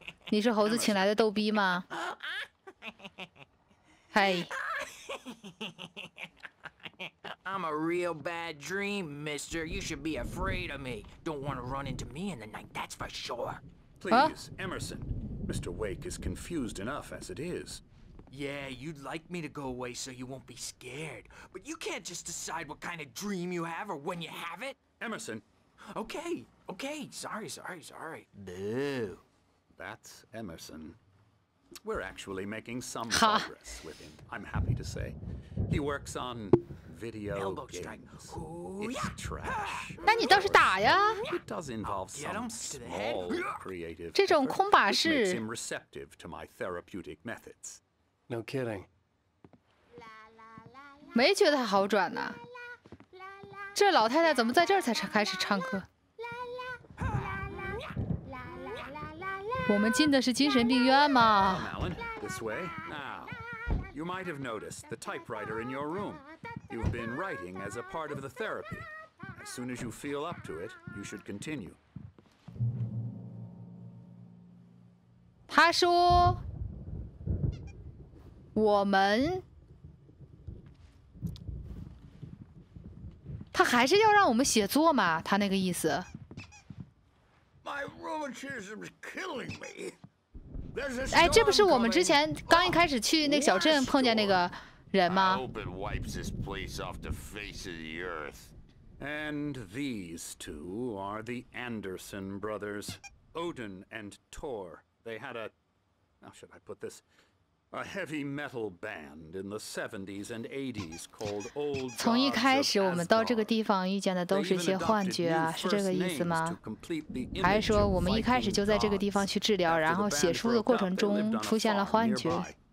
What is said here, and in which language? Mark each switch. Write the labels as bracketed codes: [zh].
[zh] 你是猴子请来的逗逼吗？嘿。 [en] I'm a real bad dream, Mister. You should be afraid of me. Don't want to run into me in the night. That's for sure. Please, Emerson. Mr. Wake is confused enough as it is. Yeah, you'd like me to go away so you won't be scared. But you can't just decide what kind of dream you have or when you have it. Emerson. Okay. Sorry. Boo. That's Emerson. We're actually making some progress with him, I'm happy to say. He works on video Elbow games. Strike. It's trash. [zh] 那你倒是打呀。 [en] It does involve some small creative [zh] 这种空把式。 [en] It makes him receptive to my therapeutic methods. No kidding. [zh] 没觉得他好转呢。这老太太怎么在这儿才开始唱歌？我们进的是精神病院吗 [en] ？Alan, this way. Now, you might have noticed the typewriter in your room. You've been writing as a part of the therapy. As soon as you feel up to it, you should continue. [zh] 他说。我们，他还是要让我们写作嘛？他那个意思。 [en] My rheumatism is killing me. [zh] 哎，这不是我们之前刚一开始去那个小镇碰见那个人吗 [en] ？I hope it wipes this place off the face of the earth. And these two are the Anderson brothers, Odin and Tor. They had a, how should I put this? A heavy metal band in the 70s and 80s called Old Gods. [zh] 从一开始我们到这个地方遇见的都是一些幻觉啊，是这个意思吗？还是说我们一开始就在这个地方去治疗，然后写书的过程中出现了幻觉？